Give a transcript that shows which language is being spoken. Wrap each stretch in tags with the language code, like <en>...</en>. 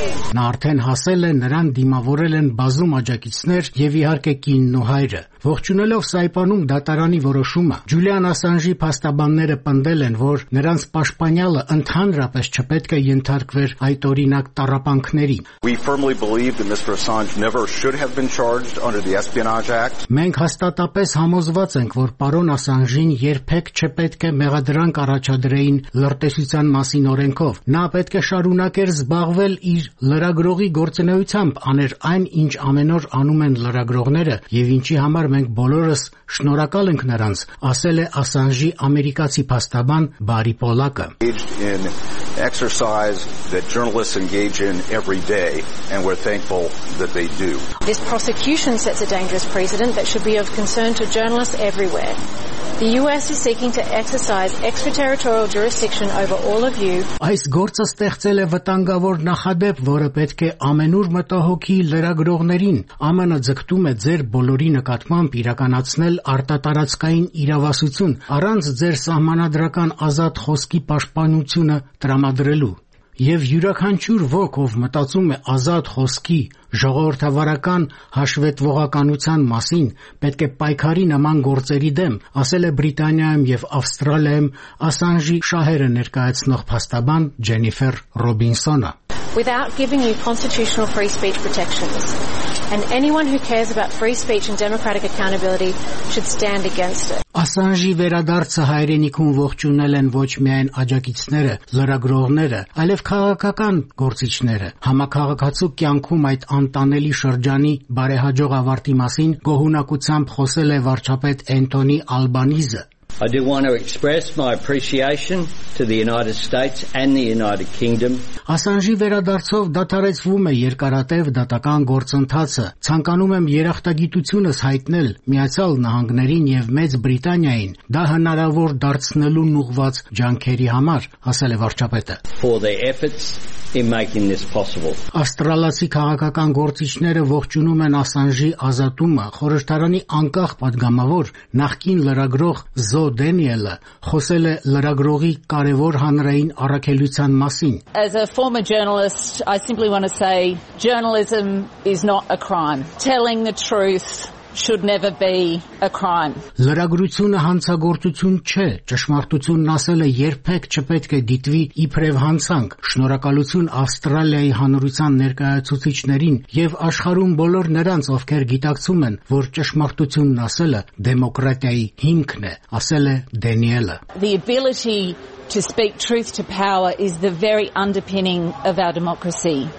<hy>Նա արդեն հասել է, նրան դիմավորել են բազում աջակիցներ և իհարկե կինն ու հայրը։ Ողջունելով Սայպանում դատարանի որոշումը, Ջուլիան Ասանժի փաստաբանները պնդել են, որ նրանց պաշտպանյալը ընդհանրապես չպետք է ենթարկվեր այդ օրինակ տառապանքներին։</hy> <en>We firmly believe that Mr. Assange never should have been charged under the Espionage Act.</en> <hy>Մենք հաստատապես համոզված ենք, որ պարոն Ասանժին երբեք չպետք է մեղադրանք առաջադրեին լրտեսության մասին օրենքով։ Նա պետք է շարունակեր զբաղվել իր լրագրողի գործունեությամբ, աներ այն, ինչ ամենօր անում են լրագրողները, և ինչի համար մենք բոլորս շնորհակալ ենք նրանց, ասել է Ասանժի ամերիկացի փաստաբան Բարի Պոլակը։</hy> <en>Exercise that journalists engage in every day, and we're thankful that they do. This prosecution sets a dangerous precedent that should be of concern to journalists everywhere. The US is seeking to exercise extraterritorial jurisdiction over all of you.</en> <hy>Այս գործը ստեղծել է վտանգավոր նախադեպ, որը պետք է ամենուր մտահոգի լրագրողներին, ԱՄՆ-ը ձգտում է ձեր բոլորի նկատմամբ իրականացնել արտատարածքային իրավասություն առանց ձեր սահմանադրական ազատ խոսքի պաշտպանությունը տրամադրելու, և յուրաքանչյուր ոք, ով մտածում է ազատ խոսքի ժողովրդավարական հաշվետվողականության մասին, պետք է պայքարի նման գործերի դեմ, ասել է Բրիտանիայում և Ավստրալիայում Ասանժի շահերը ներկայացնող փաստաբան Ջենիֆեր Ռոբինսոնը։</hy> <en>Without giving you constitutional free speech protections, and anyone who cares about free speech and democratic accountability should stand against it.</en> <hy>Ասանժի վերադարձը հայրենիքում ողջունել են ոչ միայն աջակիցները, լրագրողները, այլև քաղաքական գործիչները։ Համակարգացու կյանքում այդ անտանելի շրջանի բարեհաջող ավարտի մասին գոհունակությամբ խոսել է վարչապետ Էնթոնի Ալբանիզը։</hy> <en>I do want to express my appreciation to the United States and the United Kingdom.</en> <hy>Ասանժի վերադարձով դադարեցվում է երկարատև դատական գործընթացը։ Ցանկանում եմ երախտագիտությունս հայտնել Միացյալ Նահանգներին եւ Մեծ Բրիտանիային դա հնարավոր դարձնելուն ուղված ջանքերի համար, ասել է վարչապետը։</hy> <en>For their efforts in making this possible.</en> <hy>Ավստրալիացի քաղաքական գործիչները ողջունում են Ասանժի ազատումը, խորհրդարանի անկախ պատգամավոր նախկին լրագրող Զո Դենիելը խոսել է լրագրողի կարևոր հանրային առաքելության մասին.</hy> <en>As a former journalist, I simply want to say journalism is not a crime. Telling the truth should never be a crime.</en> <hy>Լրագրությունը հանցագործություն չէ, ճշմարտությունն ասելը երբեք չպետք է դիտվի իբրև հանցանք։ Շնորհակալություն Ավստրալիայի հանրության ներկայացուցիչներին եւ աշխարհում բոլոր նրանց, ովքեր գիտակցում են, որ ճշմարտությունն ասելը դեմոկրատիայի հիմքն է, ասել է Դենիելը։</hy> <en>The ability to speak truth to power is the very underpinning of our democracy.</en>